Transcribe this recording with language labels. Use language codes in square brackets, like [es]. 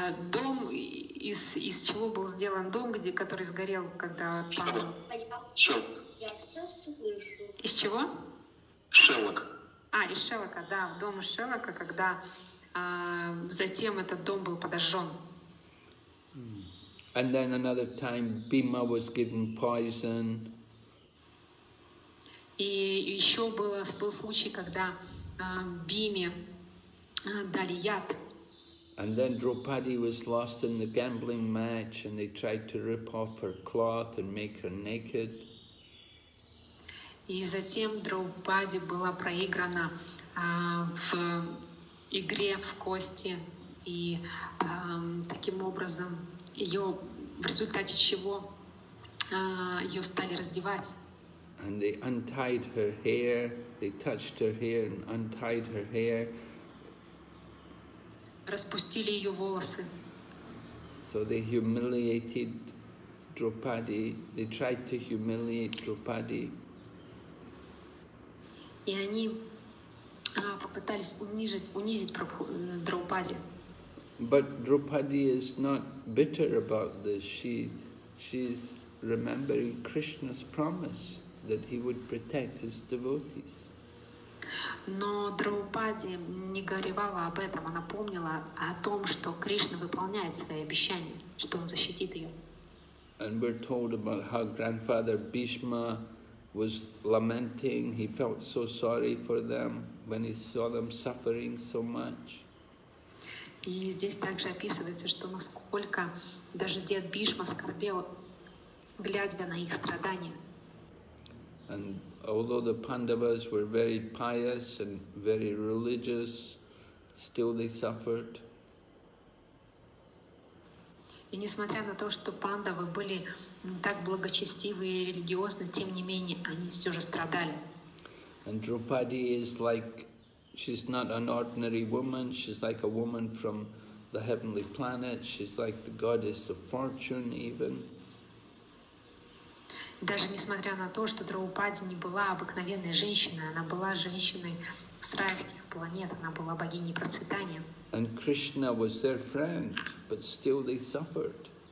[ru] Дом, из чего был сделан дом, который сгорел, когда Шелк. Я все слышу. Из чего? Шелок. Из шелока, да, дом из шелока, когда затем этот дом был подожжен. [en] And then another time Bhima was given poison. [ru] И еще был случай, когда Бхиме дали яд. [en] And then Draupadi was lost in the gambling match and they tried to rip off her cloth and make her naked. [ru] И затем Драупади была проиграна в игре в кости, и таким образом ее, в результате чего ее стали раздевать. [en] And they untied her hair, they touched her hair and untied her hair. [ru] Распустили ее волосы. [en] So they humiliated Draupadi, they tried to humiliate Draupadi. [ru] И они попытались унизить Драупади. [en] But Draupadi is not bitter about this. She's remembering Krishna's promise that he would protect his devotees. [ru] Но Драупади не горевала об этом. Она помнила о том, что Кришна выполняет свои обещания, что он защитит ее. [en] And we're told about how grandfather Bhishma was lamenting, he felt so sorry for them when he saw them suffering so much. [ru] И здесь также описывается, что насколько даже дед Бишма скорбел, глядя на их страдания. [en] And although the Pandavas were very pious and very religious, still they suffered. [ru] И несмотря на то, что пандавы были так благочестивы и религиозны, тем не менее, они все же страдали. [en] And Draupadi is like, she's not an ordinary woman, she's like a woman from the heavenly planet, she's like the goddess of fortune even. [ru] Даже несмотря на то, что Драупади не была обыкновенной женщиной, она была женщиной с райских планет, она была богиней процветания. [en] And Krishna was their friend, but still they suffered.